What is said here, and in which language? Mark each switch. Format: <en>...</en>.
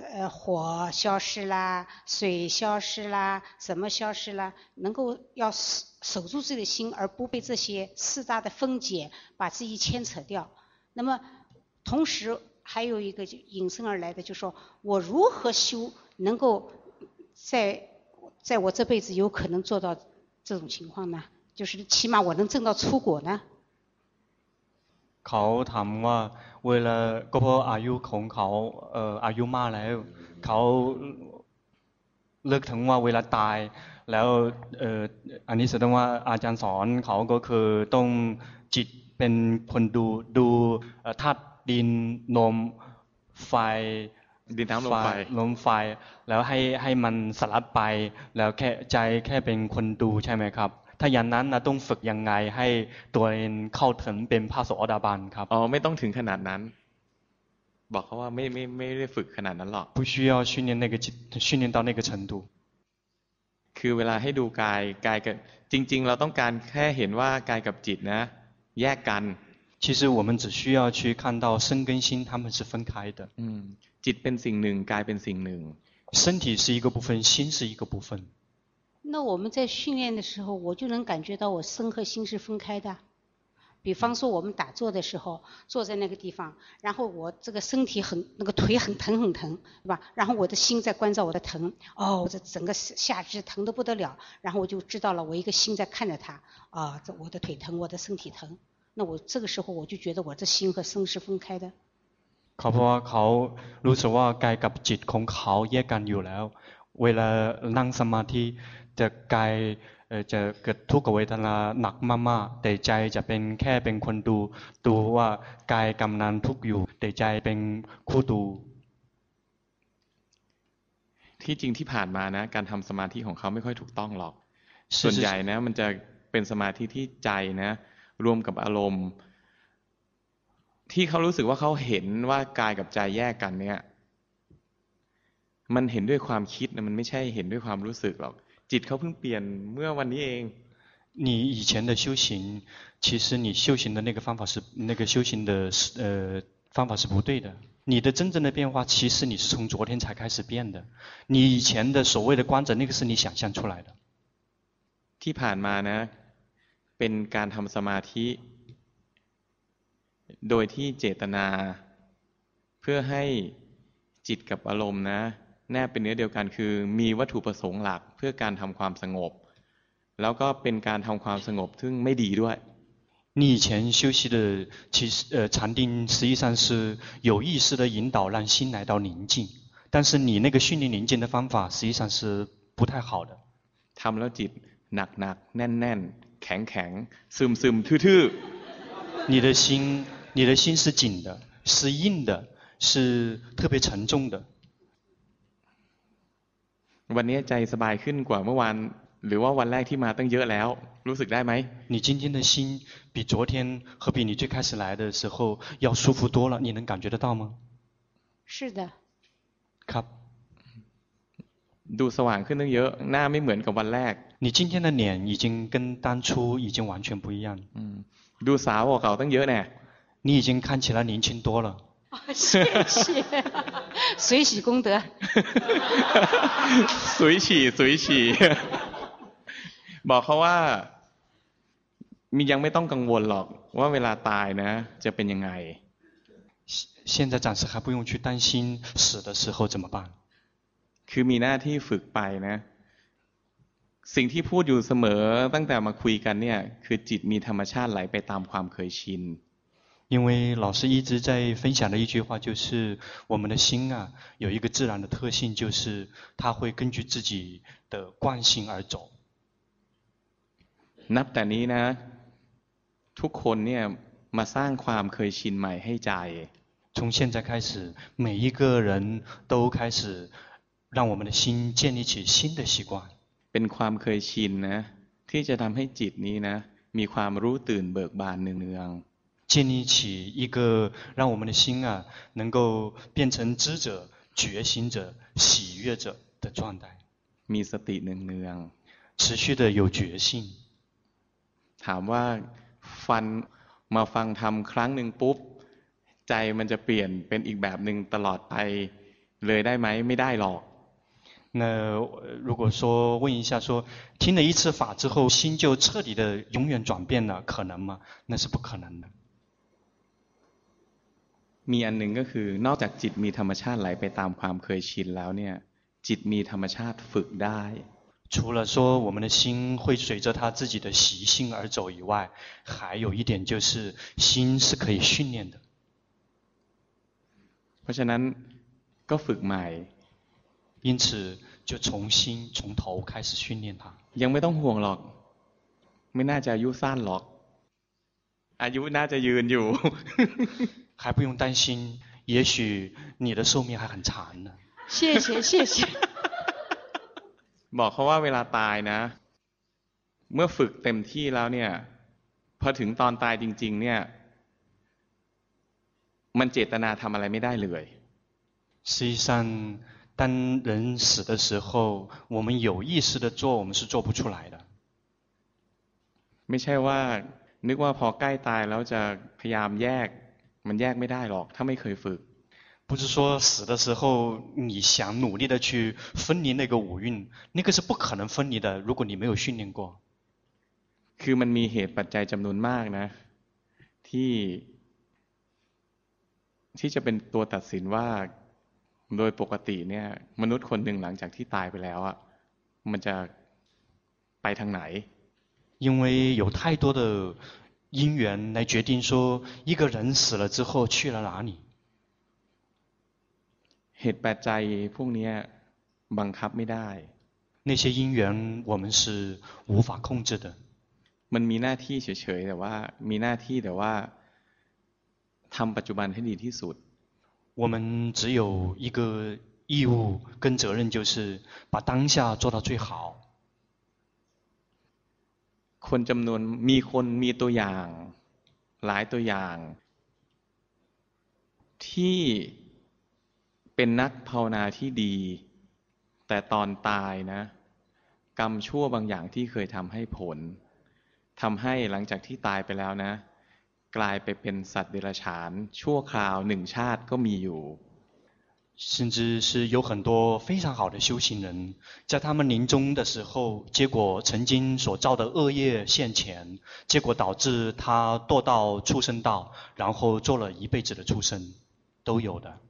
<zh>火消失啦水消失啦什么消失啦能够要守住自己的心而不被这些四大的分解把自己牵扯掉那么同时还有一个引申而来的就是说我如何修能够在我这辈子有可能做到这种情况呢就是起码我能证到出果呢</zh> <th>เขาถามว่าเวลาก็เพราะอายุของเขาอายุมากแล้วเขาเลือกถึงว่าเวลาตายแล้วอันนี้แสดงว่าอาจารย์สอนเขาก็คือต้องจิตเป็นคนดูธาตุดินลมไฟ ดินน้ำลมไฟ ลมไฟแล้วให้มันสลัดไปแล้วแค่ใจแค่เป็นคนดูใช่ไหมครับถ้าอย่างนั้นนะต้องฝึกยังไงให้ตัวเองเข้าถึงเป็นพระโสดาบันครับ อ๋อไม่ต้องถึงขนาดนั้นบอกเขาว่าไม่ได้ฝึกขนาดนั้นหรอก</th> <zh>不需要训练那个训练到那个程度</zh> <th>คือเวลาให้ดูกายกับจริงๆเราต้องการแค่เห็นว่ากายกับจิตนะแยกกัน</th> <zh>其实我们只需要去看到身跟心他们是分开的</zh> <th>จิตเป็นสิ่งหนึ่งกายเป็นสิ่งหนึ่ง</th> <zh>身体是一个部分心是一个部分那我们在训练的时候我就能感觉到我身和心是分开的比方说我们打坐的时候坐在那个地方然后我这个身体很那个腿很疼对吧然后我的心在关照我的疼哦这整个下肢疼得不得了然后我就知道了我一个心在看着它啊这我的腿疼我的身体疼那我这个时候我就觉得我的心和身是分开的</zh> <th>เพราะเขารู้สึกว่ากายกับจิตของเขาแยกกันอยู่แล้วเวลานั่งสมาธิจะกายจะเกิดทุกขเวทนาหนักมากๆแต่ใจจะเป็นแค่เป็นคนดูว่ากายกำนันทุกอยู่แต่ใจเป็นคู่ดู ที่จริงที่ผ่านมานะการทำสมาธิของเขาไม่ค่อยถูกต้องหรอกส่วนใหญ่นะมันจะเป็นสมาธิที่ใจนะรวมกับอารมณ์ที่เขารู้สึกว่าเขาเห็นว่ากายกับใจแยกกันเนี่ยมันเห็นด้วยความคิดนะมันไม่ใช่เห็นด้วยความรู้สึกหรอกจิตเขาเพิ่งเปลี่ยนเมื่อวันนี้เอง</th> <zh>你以前的修行其实你修行的那个方法是那个修行的方法是不对的你的真正的变化其实你是从昨天才开始变的你以前的所谓的观者那个是你想象出来的</zh> <th>ที่ผ่านมานะเป็นการทำสมาธิโดยที่เจตนาเพื่อให้จิตกับอารมณ์นะแน่เป็นเนื้อเดียวกันคือมีวัตถุประสงค์หลักเพื่อการทำความสงบแล้วก็เป็นการทำความสงบซึ่งไม่ดีด้วย</th> <zh>你以前修习的其实禅定实际上是有意识的引导让心来到宁静但是你那个训练宁静的方法实际上是不太好的</zh> <th>ทำแล้วจิตักหนักแน่นแน่นแข็งแข็งซึมซึมทื่อทื่</th> <zh>อ你的心你的心是紧的是硬的是特别沉重的</zh> <th>วันนี้ใจสบายขึ้นกว่าเมื่อวานหรือว่าวันแรกที่มาตั้งเยอะแล้วรู้สึกได้ไ</th> <zh>หม你今天的心比昨天和比你最开始来的时候要舒服多了你能感觉得到吗是的</zh> <th>ครับ ดูสว่างขึ้นตั้งเยอะหน้าไม่เหมือนกับวันแรก</th> <zh>你今天的脸已经跟当初已经完全不一样</zh> <th>ดูสาวกว่าเก่าตั้งเยอะแน่</th> <zh>你已经看起来年轻多了谢谢，随喜功德。随喜随喜，</zh> <th>บอกเขาว่ามียังไม่ต้องกังวลหรอกว่าเวลาตายนะจะเป็นยังไง。</th> <zh>现在暂时还不用去担心死的时候怎么办。</zh> <th>คือมีหน้าที่ฝึกไปนะสิ่งที่พูดอยู่เสมอตั้งแต่มาคุยกันเนี่ยคือจิตมีธรรมชาติไหลไปตามความเคยชิน</th> <zh>因为老师一直在分享的一句话就是我们的心啊有一个自然的特性就是它会根据自己的惯性而走</zh> <th>นับแต่นี้นะทุกคนเนี่ยมาสร้างความเคยชินใหม่ให้ใจ</th> <zh>从现在开始每一个人都开始让我们的心建立起新的习惯</zh> <th>เป็นความเคยชินนะที่จะทำให้จิตนี้นะมีความรู้ตื่นเบิกบานเนืองๆ</th> <zh>建立起一个让我们的心啊能够变成知者觉醒者喜悦者的状态</zh> <th>มีสติเนือง</th> <zh>ๆ持续的有决心</zh> <th>ถามว่าฟันมาฟังธรรมครั้งหนึ่งปุ๊บใจมันจะเปลี่ยนเป็นอีกแบบหนึ่งตลอดไปเลยได้ไหมไม่ได้หรอก</th> <zh>那如果说问一下说听了一次法之后心就彻底的永远转变了可能吗那是不可能的</zh> <th>มีอันหนึ่งก็คือนอกจากจิตมีธรรมชาติไหลไปตามความเคยชินแล้วเนี่ยจิตมีธรรมชาติฝึกได้</th> <zh>除了说我们的心会随着它自己的习性而走以外还有一点就是心是可以训练的</zh> <th>เพราะฉะนั้นก็ฝึกใหม่</th> <zh>因此就重新从头开始训练它</zh> <th>ยังไม่ต้องห่วงหรอกไม่น่าจะอายุสั้นหรอกอายุน่าจะยืนอยู่</th> <zh>还不用担心，也许你的寿命还很长呢。谢谢谢谢。</zh> <th>บอกเขาว่าเวลาตายนะเมื่อฝึกเต็มที่แล้วเนี่ยพอถึงตอนตายจริงๆเนี่ยมันเจตนาทำอะไรไม่ได้เลย。</th> <zh>实际上，当人死的时候，我们有意识的做，我们是做不出来的。</zh> <th>ไม่ใช่ว่านึกว่าพอใกล้ตายแล้วจะพยายามแยกมันแยกไม่ได้หรอกถ้าไม่เคยฝึก</th> <zh>不是说死的时候你想努力的去分离那个五蕴那个是不可能分离的如果你没有训练过</zh> <th>คือมันมีเหตุปัจจัยจำนวนมากนะที่จะเป็นตัวตัดสินว่าโดยปกติเนี่ยมนุษย์คนหนึ่งหลังจากที่ตายไปแล้วอะมันจะไปทางไหน</th> <zh>因为有太多的因缘来决定说一个人死了之后去了哪里</zh> <th>เหตุปัจจัยพวกนี้บังคับไม่ได้</th> <zh>那些因缘我们是无法控制的</zh> <th>มันมีหน้าที่เฉยๆแต่ว่ามีหน้าที่แต่ว่าทำปัจจุบันให้ดีที่สุด</th> <zh>我们只有一个义务跟责任就是把当下做到最好</zh> <th>คนจำนวนมีคนมีตัวอย่างหลายตัวอย่างที่เป็นนักภาวนาที่ดีแต่ตอนตายนะกรรมชั่วบางอย่างที่เคยทำให้ผลทำให้หลังจากที่ตายไปแล้วนะกลายไปเป็นสัตว์เดรัจฉานชั่วคราวหนึ่งชาติก็มีอยู่</th> <zh>甚至是有很多非常好的修行人在他们临终的时候结果曾经所造的恶业现前结果导致他堕到畜生道然后做了一辈子的畜生都有的</zh>